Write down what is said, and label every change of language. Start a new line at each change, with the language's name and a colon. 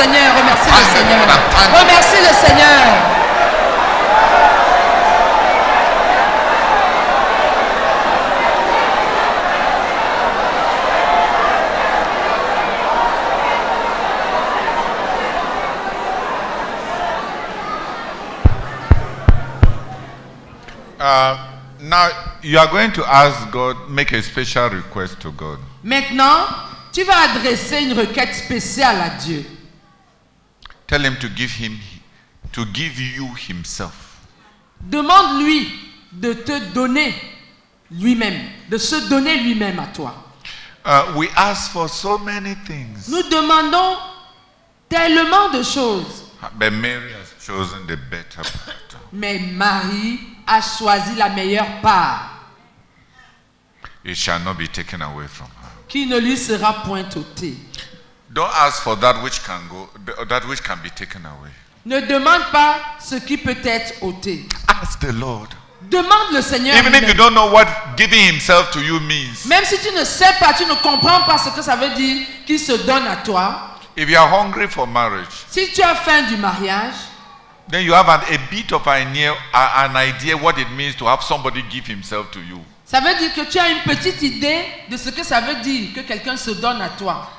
French: Seigneur. Remercie
English: thank
French: le Seigneur.
English: Lord,
French: remercie le Seigneur.
English: Now. You are going to ask God, make a special request to God.
French: Maintenant, tu vas adresser une requête spéciale à Dieu.
English: Tell him to give him, to give you himself.
French: Demande-lui de te donner lui-même, de se donner lui-même à toi.
English: We ask for so many things.
French: Nous demandons tellement de choses.
English: But Mary has chosen the better part.
French: Mais Marie a choisi la meilleure part.
English: It shall not be taken away from her.
French: Qui ne lui sera point ôté.
English: Don't ask for that which can go, that which can be taken away.
French: Ne demande pas ce qui peut être ôté.
English: Ask the Lord.
French: Demande le Seigneur.
English: Even if you don't know what giving himself to you means.
French: Même si tu ne sais pas, tu ne comprends pas ce que ça veut dire qu'il se donne à toi.
English: If you are hungry for marriage.
French: Si tu as faim du mariage.
English: Then you have a bit of an idea what it means to have somebody give himself to you.
French: Ça veut dire que tu as une petite idée de ce que ça veut dire que quelqu'un se donne à toi.